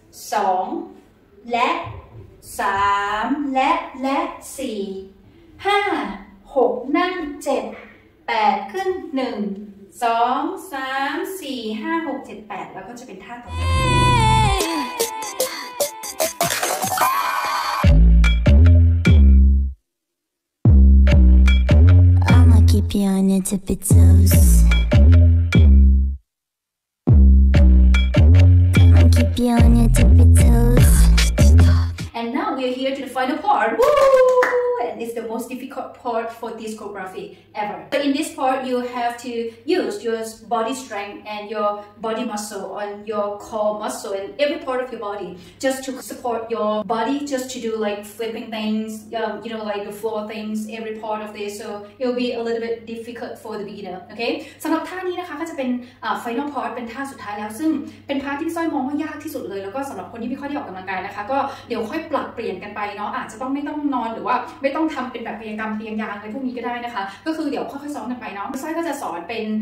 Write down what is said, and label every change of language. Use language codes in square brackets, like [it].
[th] 2และ3และ4 5 6นั่ง7 8ขึ้น1 2 3 4 5 6 7 8แล้วก็จะเป็นท่าต่อไป [en] I'ma keep you on your tippy toes. I'ma keep you on your tippy toes. And now we're here to the final part. Woo! And it's the most difficult part for discography ever. But in this part, you have to use your body strength and your body muscle on your core muscle and every part of your body just to support your body, just to do like flipping things, you know, like the floor things, every part of this. So it'll be a little bit difficult for the beginner, okay? [th] สำหรับท่านี้นะคะก็จะเป็น final part เป็นท่าสุดท้ายแล้วซึ่งเป็นท่าที่ซ้อยมองว่ายากที่สุดเลยแล้วก็สำหรับคนที่ไม่ค่อยได้ออกกำลังกายนะคะก็เดี๋ยวค่อยปรับเปลี่ยนกันไปเนาะอาจจะต้องไม่ต้องนอนหรือว่าไม่ต้องทำเป็นแบบพยากรรมเตียงยางอะไรพวกนี้ก็ได้นะคะก็คือเดี๋ยวค่อยๆซ้อมกันไปเนาะพี่สร้อยก็จะสอนเป